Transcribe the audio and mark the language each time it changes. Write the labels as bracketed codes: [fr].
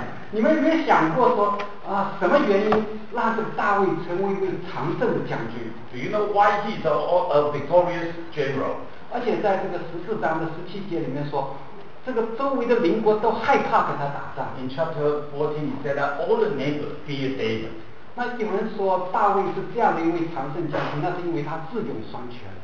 [zh] 你们有没有想过说什么原因让这个大卫成为一位常胜的将军？ [en] Do you know why he is a victorious general? [zh] 而且在这个14章的17节里面说，这个周围的邻国都害怕跟他打仗。 [en] In chapter 14, he said that all the neighbors fear David. [zh] 那有人说大卫是这样的一位常胜将军，那是因为他智勇双全。